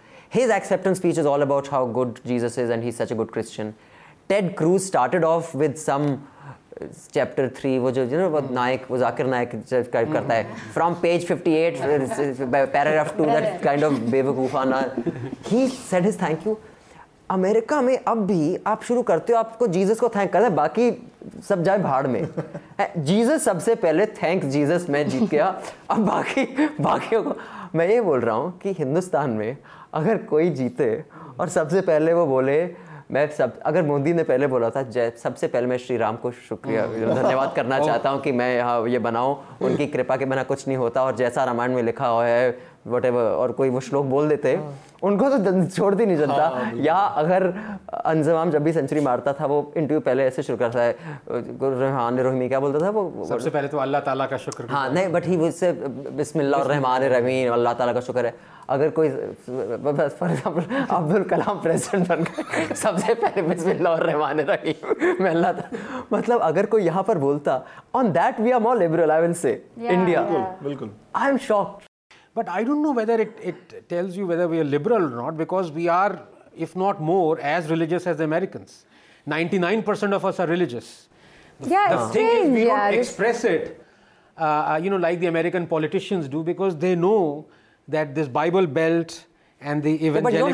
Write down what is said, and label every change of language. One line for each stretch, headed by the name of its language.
English: His acceptance speech is all about how good Jesus is and he's such a good Christian. Ted Cruz started off with some chapter 3,
Hindi: wo jo,
English: you know, what Naik,
Hindi: wo Zakir Naik describe karta hai.
English: From page 58, paragraph 2, that kind of bevakoofana. He said his thank you.
Hindi: America में अब भी आप शुरू करते हो, आपको Jesus को thank करना है, बाकी सब जाए भाड़ में। जीसस सबसे पहले, थैंक्स जीसस मैं जीत गया, अब बाकी बाकियों को। मैं ये बोल रहा हूँ कि हिंदुस्तान में अगर कोई जीते और सबसे पहले वो बोले, मैं सब, अगर मोदी ने पहले बोला था सबसे पहले मैं श्री राम को शुक्रिया धन्यवाद करना चाहता हूँ कि मैं यहाँ ये बनाऊँ, उनकी कृपा के बिना कुछ नहीं होता, और जैसा रामायण में लिखा हुआ है
English: whatever,
Hindi: और कोई वो श्लोक बोल देते उनको तो छोड़ दी नहीं चलता। या अगर अंजमाम जब भी सेंचुरी मारता था वो इंटरव्यू पहले ऐसे शुरू करता है, रहमान रहीम क्या बोलता था वो, सबसे पहले तो अल्लाह ताला का शुक्र। हाँ नहीं,
English: but ही
Hindi: उससे बिस्मिल्लाह रहमान रहीम अल्लाह ताला का शुक्र है। अगर कोई for example Abdul Kalam president बन गए, सबसे पहले बिस्मिल्लाह रहमान रहीम मैं अल्लाह ताला, मतलब अगर कोई यहाँ पर बोलता,
English: on that we are more liberal I will say India,
Hindi: बिल्कुल
English: I am shocked. But I don't know whether it tells you whether we are liberal or not, because we are, if not more, as religious as the Americans. 99% of us are religious. Yeah, it's strange. We don't express it, you know, like the American politicians do, because they know that this Bible Belt and the evangelical...